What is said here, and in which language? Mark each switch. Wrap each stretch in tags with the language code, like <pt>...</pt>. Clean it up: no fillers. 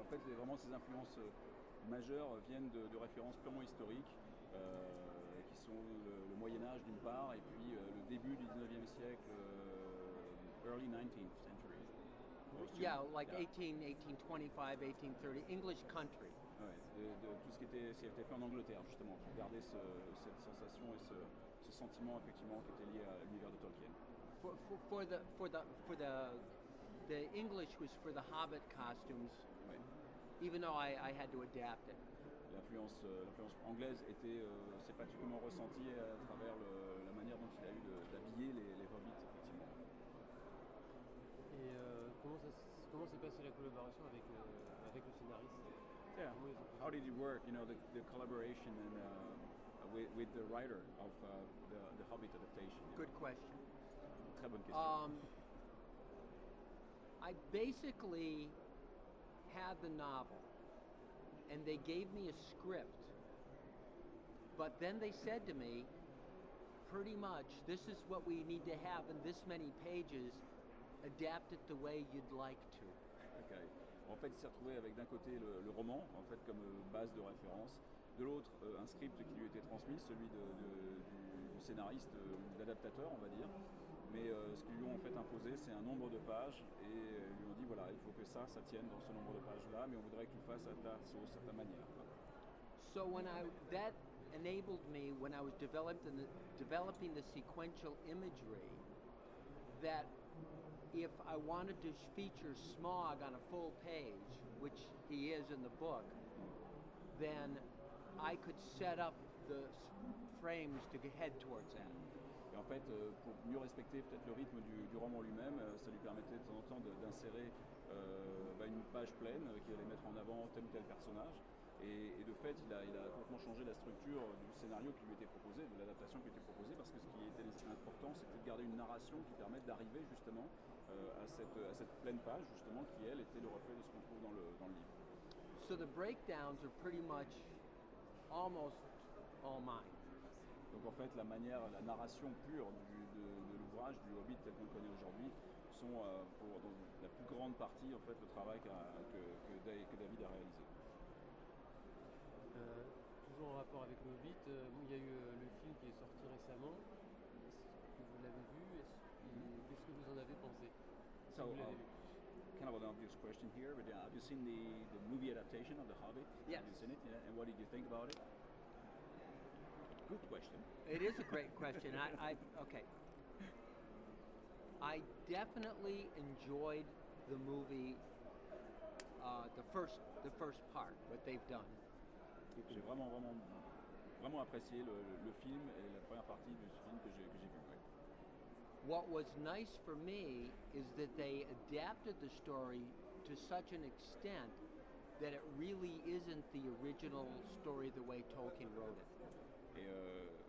<fr>En fait, vraiment ces influences majeures viennent de références purement historiques, qui sont le Moyen-Âge d'une part, et puis le début du 19e siècle,</fr> <en>early 19th century. Yeah, like 1825, 1830, English country.</en> <fr>Ouais, de tout ce qui était fait en Angleterre, justement, pour garder cette sensation et ce sentiment, effectivement, qui était lié à l'univers de Tolkien.</fr> <en>For the English was for the Hobbit costumes,</en> <fr>ouais.</fr> <en>Even though I had to adapt it.</en> <fr>L'influence anglaise était, c'est particulièrement ressenti à travers la manière dont il a eu d'habiller les Hobbits, effectivement. Et comment s'est passée la collaboration avec le scénariste?</fr> <en>Yeah. How did it work? You know, the collaboration and with the writer of the Hobbit adaptation. Good know? Question.</en> <fr>Très bonne question.</fr> <en>I basically had the novel, and they gave me a script, But then they said to me, pretty much, this is what we need to have in this many pages. Adapt it the way you'd like to. Okay.</en> <fr>En fait, il s'est retrouvé avec d'un côté le roman, en fait, comme base de référence. De l'autre, un script qui lui était transmis, celui du scénariste, d'adaptateur, on va dire. Mais ce qu'ils lui ont en fait imposé, c'est un nombre de pages. Et ils lui ont dit, voilà, il faut que ça tienne dans ce nombre de pages-là, mais on voudrait qu'il fasse à ta sauce, à ta manière.</fr> <en>So when that enabled me, when I was developing the sequential imagery, that if I wanted to feature Smaug on a full page, which he is in the book, then I could set up the frames to head towards that.</en> <fr>Et en fait, pour mieux respecter peut-être le rythme du roman lui-même, ça lui permettait de temps en temps d'insérer une page pleine qui allait mettre en avant tel ou tel personnage. Et de fait, il a complètement changé la structure du scénario qui lui était proposé, de l'adaptation qui lui était proposée, parce que ce qui était important, c'était de garder une narration qui permette d'arriver justement à cette pleine page, justement, qui elle était le reflet de ce qu'on trouve dans le livre.</fr> <en>So the breakdowns are pretty much almost all mine.</en> <fr>Donc en fait, la narration pure de l'ouvrage du Hobbit tel qu'on le connaît aujourd'hui sont pour donc, la plus grande partie en fait le travail que David a réalisé. Toujours en rapport avec le Hobbit, il y a eu le film qui est sorti récemment. Est-ce que vous l'avez vu? Qu'est-ce que vous en avez pensé?</fr> <en>So, kind of an obvious question here, but have you seen the movie adaptation of The Hobbit? Yes. Have you seen it? Yeah. And what did you think about it? Good question. It is a great question. Okay. I definitely enjoyed the movie, the first part, what they've done.</en> <fr>J'ai vraiment, vraiment apprécié le film et la première partie du film que j'ai vu. Ouais.</fr> <en>What was nice for me is that they adapted the story to such an extent that it really isn't the original story the way Tolkien wrote it.</en>